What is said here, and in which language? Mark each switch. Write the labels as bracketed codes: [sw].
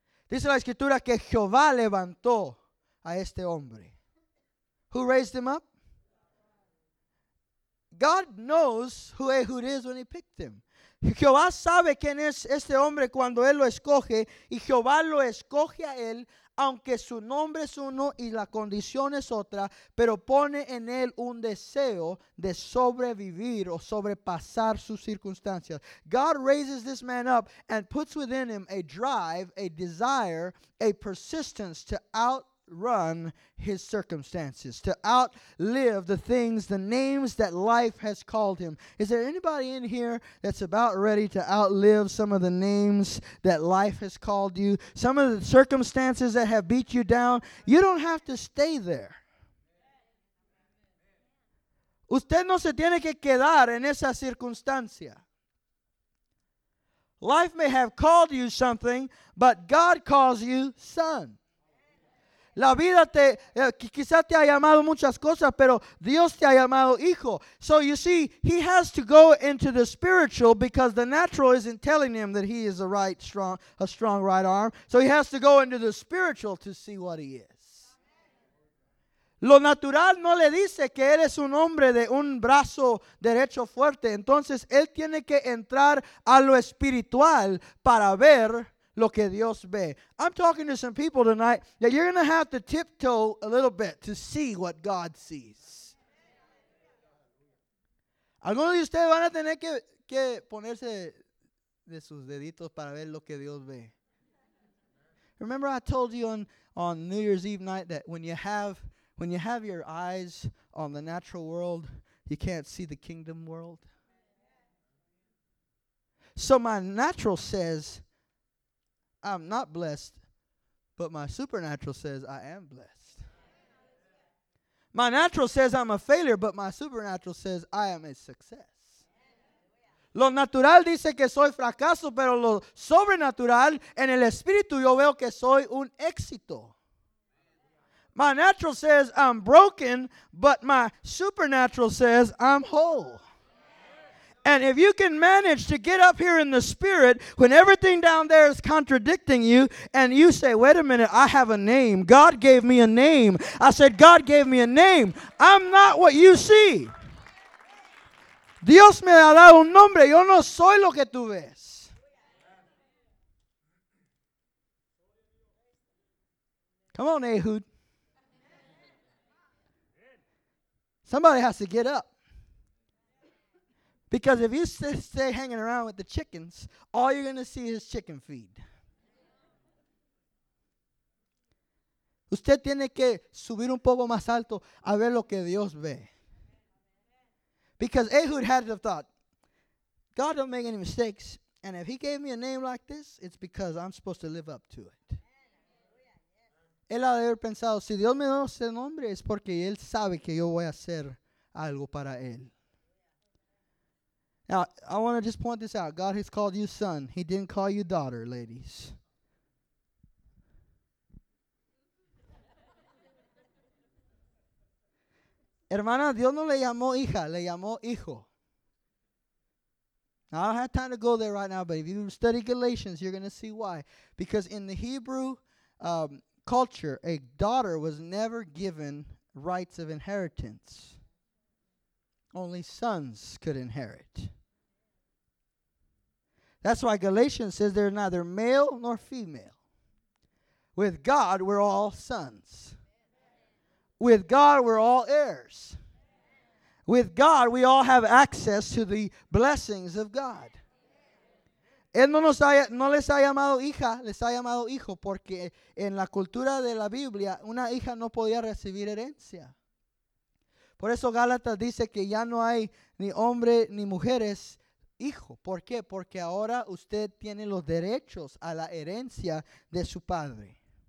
[es] Dice la escritura que Jehová levantó a este hombre. [en] Who raised him up? God knows who Ehud is when he picked him. [es] Jehová sabe quién es este hombre cuando él lo escoge, y Jehová lo escoge a él, aunque su nombre es uno y la condición es otra, pero pone en él un deseo de sobrevivir o sobrepasar sus circunstancias. [en] God raises this man up and puts within him a drive, a desire, a persistence to out outrun his circumstances, to outlive the things, the names that life has called him. Is there anybody in here that's about ready to outlive some of the names that life has called you, some of the circumstances that have beat you down? You don't have to stay there. [es] Usted no se tiene que quedar en esa circunstancia. [en] Life may have called you something, but God calls you son. [es] La vida te, quizás te ha llamado muchas cosas, pero Dios te ha llamado hijo. [en] So you see, he has to go into the spiritual because the natural isn't telling him that he is a strong right arm. So he has to go into the spiritual to see what he is. [es] Lo natural no le dice que eres un hombre de un brazo derecho fuerte. Entonces, él tiene que entrar a lo espiritual para ver lo que Dios ve. [en] I'm talking to some people tonight that you're going to have to tiptoe a little bit to see what God sees. [es] Algunos de ustedes van a tener que ponerse de sus deditos para ver lo que Dios ve. [en] Remember I told you on New Year's Eve night that when you have your eyes on the natural world, you can't see the kingdom world. So my natural says I'm not blessed, but my supernatural says I am blessed. My natural says I'm a failure, but my supernatural says I am a success. [es] Lo natural dice que soy fracaso, pero lo sobrenatural, en el espíritu yo veo que soy un éxito. [en] My natural says I'm broken, but my supernatural says I'm whole. And if you can manage to get up here in the spirit when everything down there is contradicting you and you say, wait a minute, I have a name. God gave me a name. I said, God gave me a name. I'm not what you see. [es] Dios me ha dado un nombre. Yo no soy lo que tú ves. [en] Come on, Ehud. Somebody has to get up. Because if you stay hanging around with the chickens, all you're going to see is chicken feed. [es] Usted tiene que subir un poco más alto a ver lo que Dios ve. [en] Because Ehud had the thought, God don't make any mistakes, and if he gave me a name like this, it's because I'm supposed to live up to it. [es] Él ha de haber pensado, si Dios me da ese nombre, es porque él sabe que yo voy a hacer algo para él. [en] Now, I want to just point this out. God has called you son. He didn't call you daughter, ladies. [es] Hermana, Dios no le llamó hija, le llamó hijo. [en] Now, I don't have time to go there right now, but if you study Galatians, you're going to see why. Because in the Hebrew culture, a daughter was never given rights of inheritance. Only sons could inherit. That's why Galatians says they're neither male nor female. With God, we're all sons. With God, we're all heirs. With God, we all have access to the blessings of God. [es] Él no nos haya, no les ha llamado hija, les ha llamado hijo, porque en la cultura de la Biblia, una hija no podía recibir herencia. Por eso Gálatas dice que ya no hay ni hombre ni mujeres. Hijo, ¿por qué? Porque ahora usted tiene los derechos a la herencia de su padre.